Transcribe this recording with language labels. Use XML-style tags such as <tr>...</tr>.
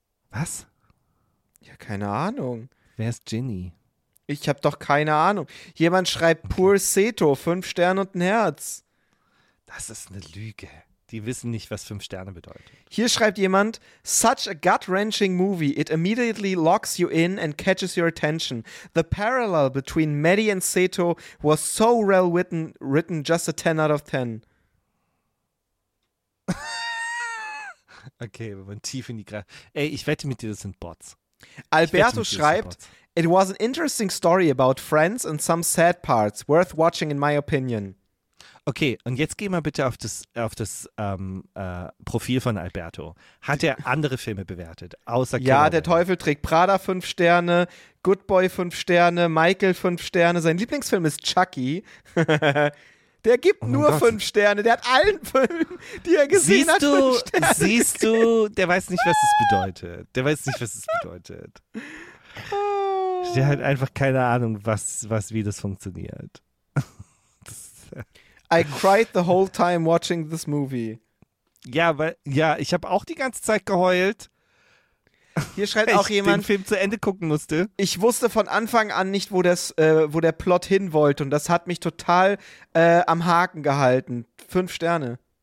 <de>Was? Ja, keine Ahnung. Wer ist Ginny? Ich habe doch keine Ahnung. Jemand schreibt, okay. Poor Seto, 5 Sterne und ein Herz. Das ist eine Lüge. Die wissen nicht, was 5 Sterne bedeutet. Hier schreibt jemand,</de> <en>such a gut-wrenching movie. It immediately locks you in and catches your attention. The parallel between Maddie and Seto was so well written, just a 10 out of 10.</en> <de>Okay, wir wollen tief in die Greif. Ey, ich wette mit dir, das sind Bots. Alberto schreibt,</de> <en>it was an interesting story about friends and some sad parts, worth watching in my opinion.</en> <de>Okay, und jetzt geh mal bitte auf das Profil von Alberto. Hat er andere Filme bewertet, außer Ja, der Teufel trägt Prada 5 Sterne, Good Boy 5 Sterne, Michael 5 Sterne, sein Lieblingsfilm ist Chucky. Der gibt nur 5 Sterne, der hat allen Filmen, die er gesehen siehst hat, du, 5 Sterne. Siehst du, der weiß nicht, was es bedeutet. Der weiß nicht, was es bedeutet. Der hat einfach keine Ahnung, was wie das funktioniert.</de> <en>I cried the whole time watching this movie.</en> <de>Ja, weil ja, ich habe auch die ganze Zeit geheult. Hier schreibt auch jemand, den Film zu Ende gucken musste. Ich wusste von Anfang an nicht, wo der Plot hin wollte und das hat mich total am Haken gehalten. 5 Sterne.</de>